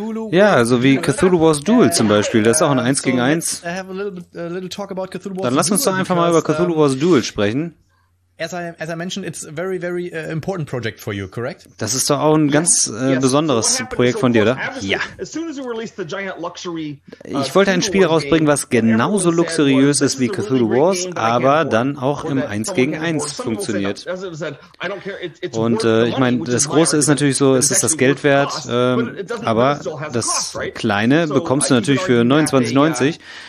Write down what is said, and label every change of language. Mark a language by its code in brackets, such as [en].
[de] Ja, so wie Cthulhu Wars Duel zum Beispiel. Das ist auch ein 1 gegen 1. Dann lass uns doch einfach mal über Cthulhu Wars Duel sprechen. [en] As I mentioned, it's a very, very important project for you, correct? [de] Das ist doch auch ein ganz besonderes Projekt von dir, oder? Ja. [en] As soon as you released the giant luxury, [de] ich wollte ein Spiel rausbringen, was genauso luxuriös ist wie Cthulhu Wars, aber dann auch im 1 gegen 1 funktioniert. Und ich meine, das Große ist natürlich so, es ist das Geld wert, aber das Kleine bekommst du natürlich für 29,90.